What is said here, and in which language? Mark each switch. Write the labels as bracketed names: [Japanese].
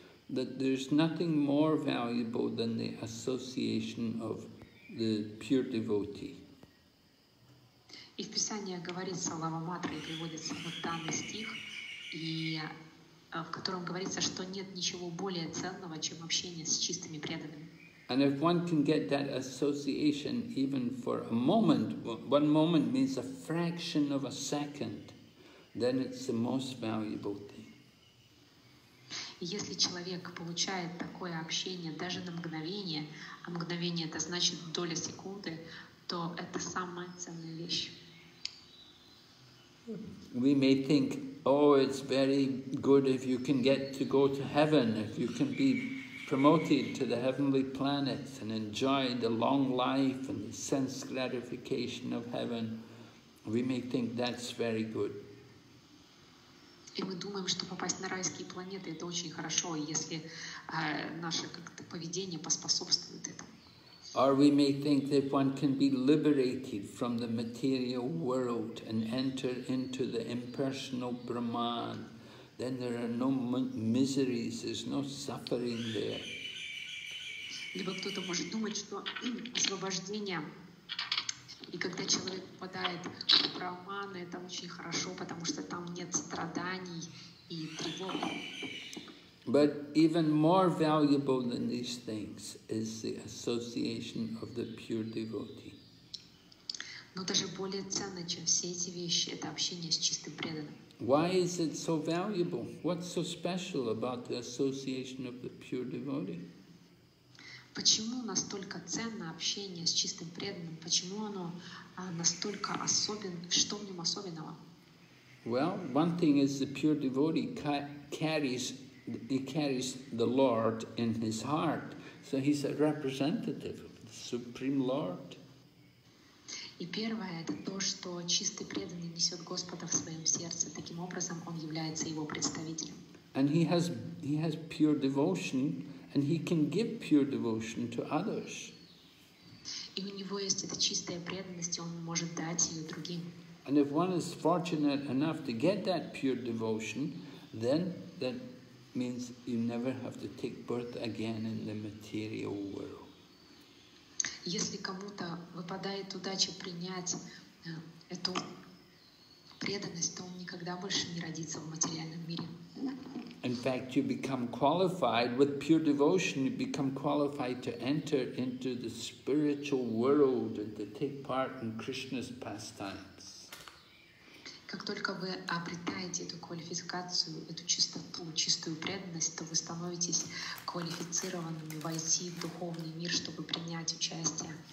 [English] That there's nothing more valuable than the association of the pure devotee. [Russian] И в Писании говорится лава матра и приводится вот данный стих, и в котором говорится, что нет ничего более ценного, чем общение с чистыми преданными. [English] And if one can get that association even for a moment, one moment means a fraction of a second, then it's the most valuable thing. [Russian] И если человек получает такое общение даже на мгновение, а мгновение это значит доля секунды, то это самая ценная вещь. [English] We may think, oh, it's very good if you can get to go to heaven, if you can be promoted to the heavenly planets and enjoy the long life and the sense gratification of heaven. We may think that's very good. [Russian] И мы думаем, что попасть на райские планеты это очень хорошо, если наше как-то поведение поспособствует этому. [English] Or we may think that one can be liberated from the material world and enter into the impersonal Brahman. Then there are no miseries, there's no suffering there. [Russian] Либо кто-то может думать, что освобождение И когда человек попадает в Брахманы, это очень хорошо, потому что там нет страданий и тревог. [English] But even more valuable than these things is the association of the pure devotee. [Russian] Но даже более ценно, чем все эти вещи, это общение с чистым преданным. [English] Why is it so valuable? What's so special about the association of the pure devotee? [Russian] Почему настолько ценно общение с чистым преданным? Почему оно настолько особенное? Что в нем особенного? [English] Well, one thing is the pure devotee carries the Lord in his heart, so he's a representative of the Supreme Lord. [Russian] И первое – это то, что чистый преданный несет Господа в своем сердце. Таким образом, он является его представителем. [English] And he has pure devotion, and he can give pure devotion to others. [Russian] И у него есть эта чистая преданность, и он может дать ее другим. [English] And if one is fortunate enough to get that pure devotion, then that means you never have to take birth again in the material world. [Russian] Если кому-то выпадает удача принять эту преданность, то он никогда больше не родится в материальном мире. [English] In fact, you become qualified with pure devotion. You become qualified to enter into the spiritual world and to take part in Krishna's pastimes. [Russian] Как только вы обретаете эту квалификацию, эту чистоту, чистую преданность, то вы становитесь квалифицированными войти в духовный мир, чтобы принять участие